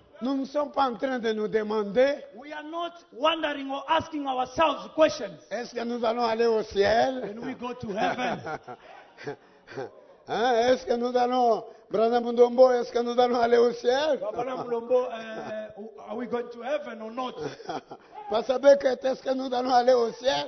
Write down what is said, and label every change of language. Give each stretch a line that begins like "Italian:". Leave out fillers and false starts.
French: Nous ne sommes pas en train de nous demander.
English: We are not wondering or asking ourselves questions.
French: Est-ce que nous allons aller au ciel?
English: Can we go to heaven?
French: Hein, est-ce que nous allons, Brother Mundombo, est-ce que nous allons aller au ciel?
English: Brother Mundombo, are we going to heaven or not?
French: Pastor Beckett, est-ce que nous allons aller au ciel?